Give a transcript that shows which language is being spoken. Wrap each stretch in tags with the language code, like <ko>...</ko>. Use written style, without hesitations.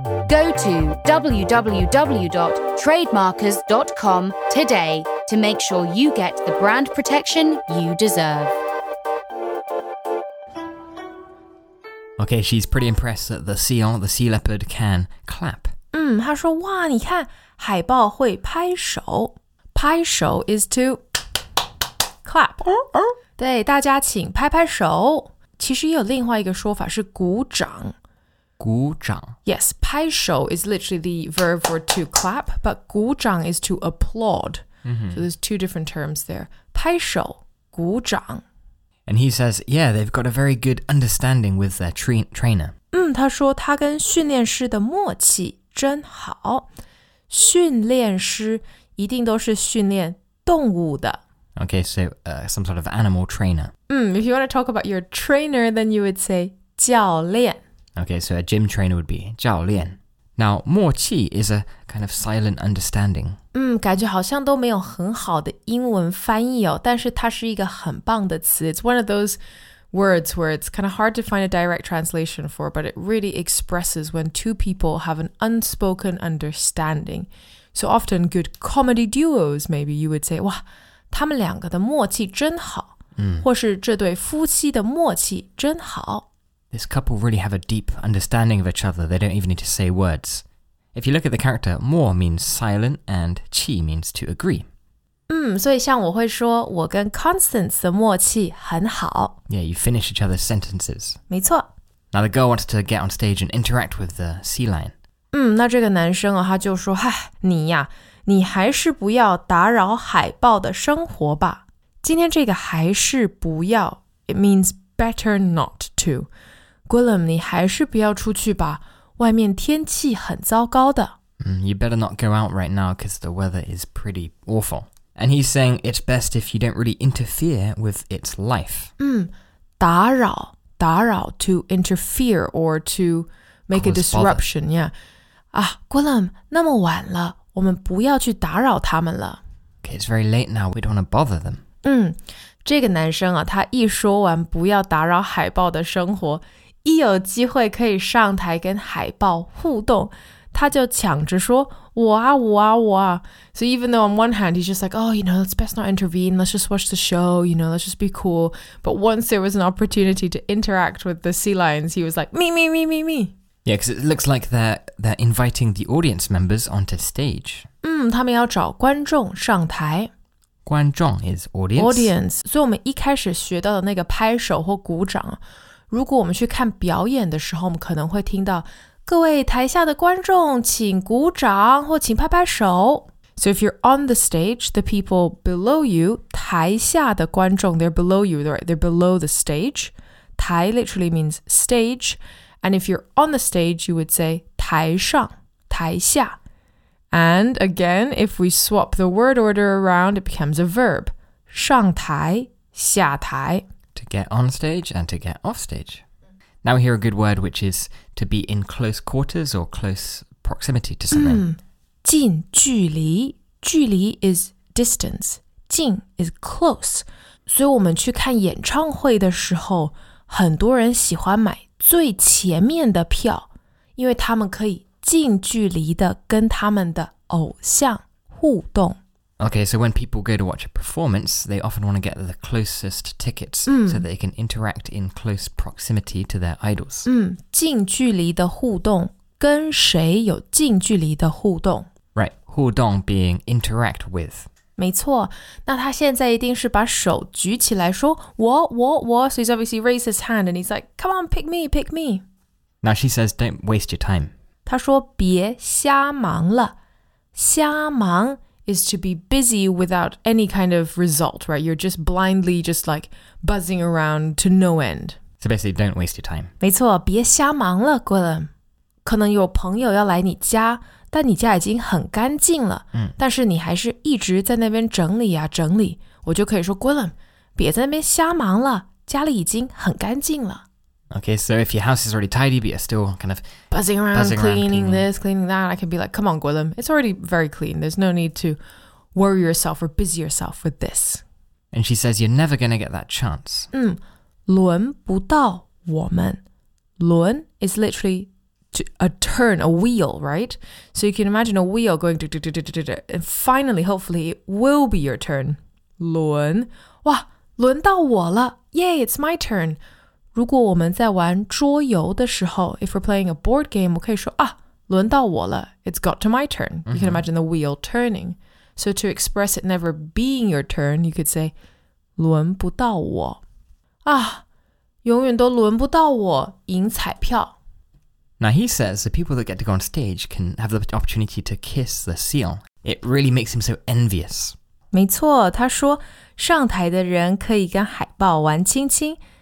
<en>Go to www.trademarkers.com today to make sure you get the brand protection you deserve. Okay, she's pretty impressed that the sea leopard can clap.</en> <zh>她说哇你看海豹会拍手。拍手</zh> <en>is to clap.</en> <zh>对，大家请拍拍手。其实也有另外一个说法是鼓掌。鼓掌。</zh> <en>Yes, 拍手 is literally the verb for to clap, but 鼓掌 is to applaud.、 Mm-hmm. So there's two different terms there. 拍手鼓掌。 And he says, yeah, they've got a very good understanding with their trainer.、</en> <zh>他说他跟训练师的默契真好。训练师一定都是训练动物的。</zh> <en>Okay, so some sort of animal trainer. If you want to talk about your trainer, then you would say 教练。 Okay, so a gym trainer would be 教练。Now, 默契 is a kind of silent understanding.</en> <zh>感觉好像都没有很好的英文翻译哦，但是它是一个很棒的词。</zh> <en>It's one of those words where it's kind of hard to find a direct translation for, but it really expresses when two people have an unspoken understanding. So often good comedy duos, maybe you would say,</en> <zh>哇他们两个的默契真好、或是这对夫妻的默契真好。</zh> <en>This couple really have a deep understanding of each other. They don't even need to say words. If you look at the character, 默 means silent and 契 means to agree.</en> <zh>所以像我会说我跟 Constance 的默契很好。</zh> <en>Yeah, you finish each other's sentences.</en> <zh>没错。</zh> <en>Now the girl wants to get on stage and interact with the sea lion.</en> <zh>那这个男生啊他就说嗨你呀你还是不要打扰海豹的生活吧。今天这个还是不要</zh> <en>It means better not to.</en> <zh>Gwilym, 你还是不要出去吧。外面天气很糟糕的。</zh> <en>You better not go out right now because the weather is pretty awful. And he's saying it's best if you don't really interfere with its life. 打扰 to interfere or to make、 Cause、 a disruption.、 Bother.</en> <zh>Yeah. Gwilym, 那么晚了，我们不要去打扰他们了。</zh> <en>Okay, it's very late now. We don't want to bother them.</en> <zh>嗯，这个男生啊，他一说完不要打扰海豹的生活，一有机会可以上台跟海豹互动，他就抢着说我啊我啊我啊。</zh> <en>So even though on one hand he's just like, oh, you know, it's best not intervene. Let's just watch the show. You know, let's just be cool. But once there was an opportunity to interact with the sea lions, he was like, me, me, me, me, me. Yeah, because it looks like they're inviting the audience members onto stage.</en> <zh>嗯，他们要找观众上台。</zh> <en>观众 is audience. Audience.</en> <zh>所以我们一开始学到的那个拍手或鼓掌，如果我们去看表演的时候，我们可能会听到各位台下的观众请鼓掌或请拍拍手。</zh> <en>So if you're on the stage, the people below you,</en> <zh>台下的观众</zh> <en>they're below you, right? They're below the stage. 台 literally means stage. And if you're on the stage, you would say 台上、台下。 And again, if we swap the word order around, it becomes a verb.</en> <zh>上台、下台。</zh> <en>To get on stage and to get off stage. Now we hear a good word, which is to be in close quarters or close proximity to something.</en> <zh>近距离。距离 is distance. 近 is close. 所以我们去看演唱会的时候，很多人喜欢买最前面的票，因为他们可以近距离的跟他们的偶像互动。</zh> <en>Okay, so when people go to watch a performance, they often want to get the closest tickets so they can interact in close proximity to their idols.</en> <zh>近距离的互动，跟谁有近距离的互动？</zh> <en>Right, 互动 being interact with.</en> <zh>没错，那他现在一定是把手举起来说我我我</zh> <en>So he's obviously raised his hand and he's like, come on, pick me, pick me. Now she says, don't waste your time.</en> <zh>他说别瞎忙了，瞎忙</zh> <en>is to be busy without any kind of result, right? You're just blindly just like buzzing around to no end. So basically, don't waste your time.</en> <zh>没错，别瞎忙了，过了。可能有朋友要来你家，但你家已经很干净了，但是你还是一直在那边整理啊，整理。我就可以说，过了，别在那边瞎忙了，家里已经很干净了。</zh> <en>Okay, so if your house is already tidy, but you're still kind of buzzing around, cleaning this, cleaning that, I can be like, come on, Gwilym, it's already very clean. There's no need to worry yourself or busy yourself with this. And she says, you're never going to get that chance.</en> <zh>轮不到我们。轮</zh> <en>is literally a turn, a wheel, right? So you can imagine a wheel going, and finally, hopefully, it will be your turn.</en> <zh>轮,哇,轮到我了。</zh> <en>Yay, it's my turn.</en> <zh>如果我们在玩桌游的时候</zh> <en>if we're playing a board game,</en> <zh>我可以说啊，轮到我了</zh> <en>it's got to my turn. You can imagine the wheel turning. So to express it never being your turn, you could say, 轮不到我。</en> <zh>啊，永远都轮不到我赢彩票。</zh> <en>Now he says the people that get to go on stage can have the opportunity to kiss the seal. It really makes him so envious.</en> <zh>没错，他说上台的人可以跟海豹玩亲亲。</zh>